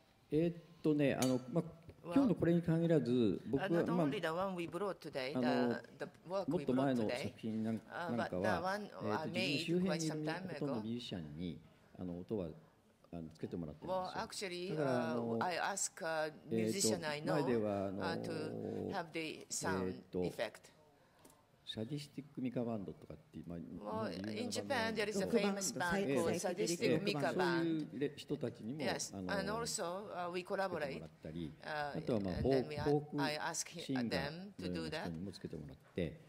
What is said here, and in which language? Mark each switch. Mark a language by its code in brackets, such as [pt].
[ja] 今日のこれに限らず、僕は、まあ、あのもっと前の作品なんかは、自分周辺にいるほとんどのミュージシャンに音はつけてもらってるんですよ。だから、 [en] I ask a musician I know to have the sound effect. [ja] シャディスティックミカバンドとかっていう、まあ、 [en] well, in Japan there is a famous band called Sadistic Mika Band. [ja] そういう人たちにも、 [en] yes. and also we collaborate. [ja] あとはまあ、フォークシンガーの人にもつけてもらって、